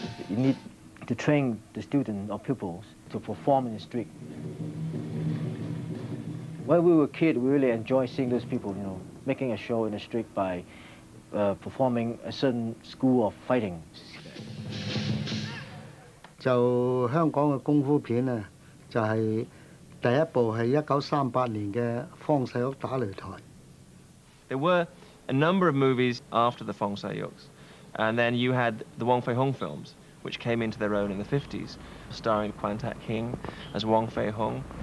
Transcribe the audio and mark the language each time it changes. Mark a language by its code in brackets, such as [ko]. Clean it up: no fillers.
[en] You need to train the students or pupils to perform in the street. When we were kids, we really enjoyed seeing those people, you know, making a show in the street by performing a certain school of fighting. [yue] 就香港的功夫片呢，就係第一部係1938年嘅《方世玉打擂台》. [en] There were a number of movies after the Fong Sai Yuks, and then you had the Wong Fei Hung films, which came into their own in the 50s, starring Quan Tak King as Wong Fei Hung.